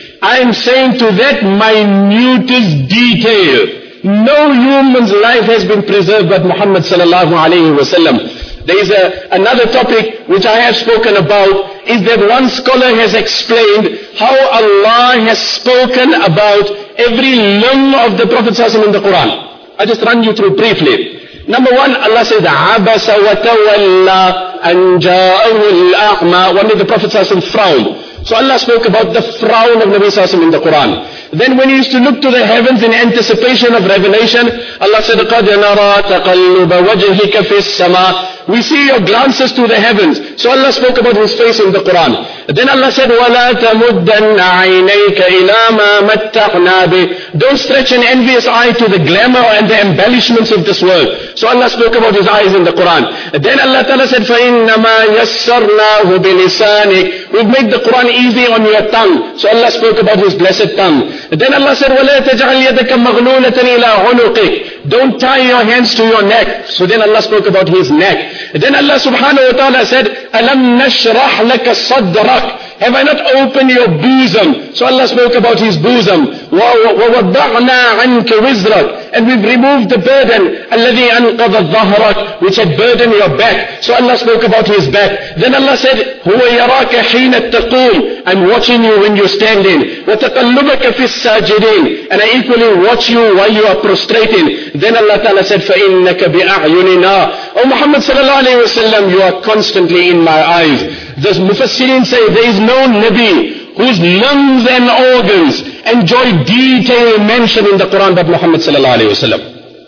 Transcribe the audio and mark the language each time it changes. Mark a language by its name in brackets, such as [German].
[English] I'm saying to that minutest detail, no human's life has been preserved but Muhammad Sallallahu Alaihi Wasallam. There is another topic which I have spoken about, is that one scholar has explained how Allah has spoken about every limb of the Prophet ﷺ in the Quran. I just run you through briefly. Number one, Allah said, [Arabic] عَبَسَ وَتَوَلَّى أَن جَاءَهُ الْأَعْمَى. [English] One day the Prophet ﷺ frowned. So Allah spoke about the frown of Nabi ﷺ in the Quran. Then when he used to look to the heavens in anticipation of revelation, Allah said, [Arabic] قَدْ نَرَى تَقَلُّبَ وَجْهِكَ فِي السَّمَاءِ. [English] We see your glances to the heavens. So Allah spoke about his face in the Quran. Then Allah said, [Arabic] وَلَا تَمُدَّنَّ عَيْنَيْكَ إِلَى مَا مَتَّقْنَا بِهِ. [English] Don't stretch an envious eye to the glamour and the embellishments of this world. So Allah spoke about his eyes in the Quran. Then Allah Ta'ala said, [Arabic] فَإِنَّمَا يَسَّرْنَاهُ بِلِسَانِكَ. [English] We've made the Quran easy on your tongue. So Allah spoke about his blessed tongue. Then Allah said, [Arabic] وَلَا تَجْعَلْ يَدَكَ مَغْلُولَةً إِلَىٰ عُنُقِكَ. [English] Don't tie your hands to your neck. So then Allah spoke about his neck. Then Allah subhanahu wa ta'ala said, [Arabic] أَلَمْ نَشْرَحْ لَكَ صَدْرَكَ. [English] Have I not opened your bosom? So Allah spoke about his bosom. [Arabic] وَوَضَعْنَا عَنْكَ وِزْرَكَ. [English] And we've removed the burden, [Arabic] الَّذِي أَنْقَضَ الظَّهْرَكَ, [English] which had burdened your back. So Allah spoke about his back. Then Allah said, [Arabic] هُوَ يَرَاكَ حِينَ التَّقُومِ. [English] I'm watching you when you're standing. [Arabic] وَتَقَلُّبَكَ فِي السَّاجِدِينَ. [English] And I equally watch you while you are prostrating. Then Allah Ta'ala said, [Arabic] فَإِنَّكَ بِأَعْيُنِنَا. [English] O Muhammad sallallahu alayhi wasallam, you are constantly in my eyes. The Mufassirin say, there is no Nabi whose lungs and organs enjoy detailed mention in the Quran but Muhammad sallallahu alayhi wasallam.